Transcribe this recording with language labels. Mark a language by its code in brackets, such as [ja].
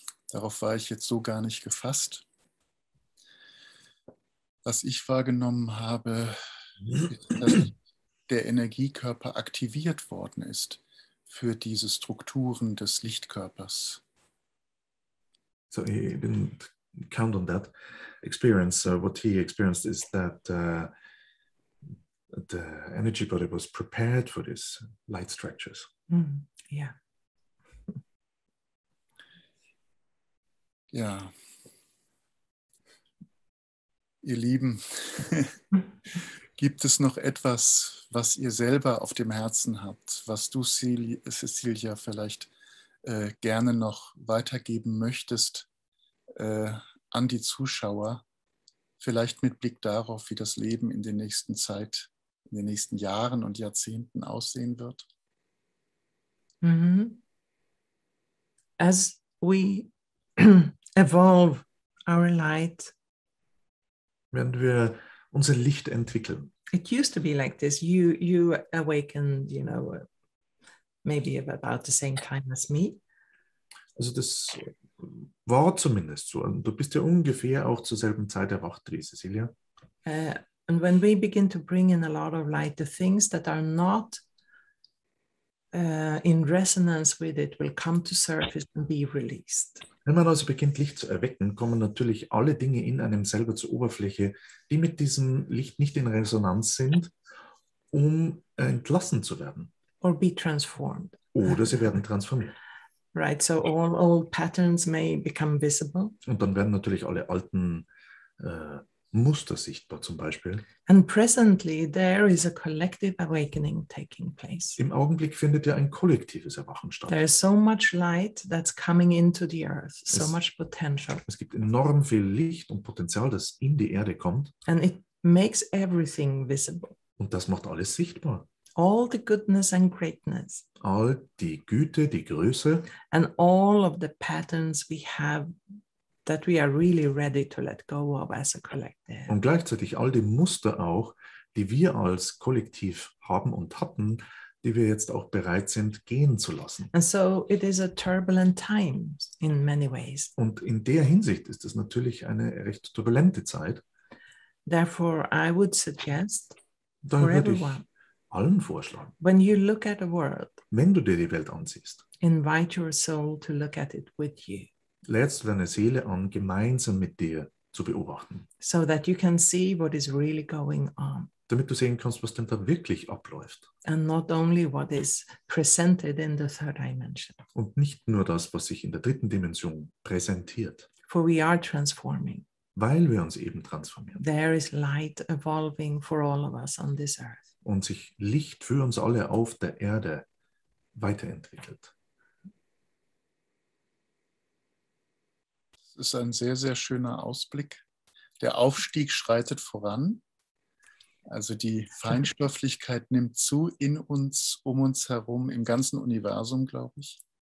[de] Darauf war ich jetzt so gar nicht gefasst. Was ich wahrgenommen habe, ist, dass der Energiekörper aktiviert worden ist für diese Strukturen des Lichtkörpers. [en] So he didn't count on that experience. So what he experienced is that the energy body was prepared for these light structures. Yeah. [de] Ja. Ihr Lieben, gibt es noch etwas, was ihr selber auf dem Herzen habt, was du, Cecilia, vielleicht gerne noch weitergeben möchtest an die Zuschauer, vielleicht mit Blick darauf, wie das Leben in der nächsten Zeit, in den nächsten Jahren und Jahrzehnten aussehen wird? [en] As we evolve our light. [de] Wenn wir unser Licht entwickeln. [en] It used to be like this. You awakened, you know, maybe about the same time as me. [de] Also das war zumindest so. Und du bist ja ungefähr auch zur selben Zeit erwacht, wie Cecilia. [en] And when we begin to bring in a lot of light, the things that are not in resonance with it will come to surface and be released. [de] Wenn man also beginnt, Licht zu erwecken, kommen natürlich alle Dinge in einem selber zur Oberfläche, die mit diesem Licht nicht in Resonanz sind, um entlassen zu werden. [en] Or be transformed. [de] Oder sie werden transformiert. [en] Right, so all old patterns may become visible. [de] Und dann werden natürlich alle alten Muster sichtbar, zum Beispiel. [en] And presently there is a collective awakening taking place. [de] Im Augenblick findet ja ein kollektives Erwachen statt. [en] There is so much light that's coming into the earth, so much potential. [de] Es gibt enorm viel Licht und Potenzial, das in die Erde kommt. [en] And it makes everything visible. [de] Und das macht alles sichtbar. [en] All the goodness and greatness. [de] All die Güte, die Größe. [en] And all of the patterns we have that we are really ready to let go of as a collective. [de] Und gleichzeitig all die Muster auch, die wir als Kollektiv haben und hatten, die wir jetzt auch bereit sind, gehen zu lassen. [en] And so it is a turbulent time in many ways. [de] Und in der Hinsicht ist es natürlich eine recht turbulente Zeit. [en] Therefore, I would suggest for everyone, [de] allen vorschlagen. [en] When you look at the world, [de] wenn du dir die Welt ansiehst, [en] invite your soul to look at it with you. [de] Lädst du deine Seele an, gemeinsam mit dir zu beobachten. [en] So that you can see what is really going on. [de] Damit du sehen kannst, was denn da wirklich abläuft. [en] And not only what is presented in the third dimension. [de] Und nicht nur das, was sich in der dritten Dimension präsentiert. [en] For we are transforming. [de] Weil wir uns eben transformieren. [en] There is light evolving for all of us on this earth. [de] Und sich Licht für uns alle auf der Erde weiterentwickelt. Ist ein sehr, sehr schöner Ausblick. Der Aufstieg schreitet voran. Also die Feinstofflichkeit nimmt zu in uns, um uns herum, im ganzen Universum, glaube ich.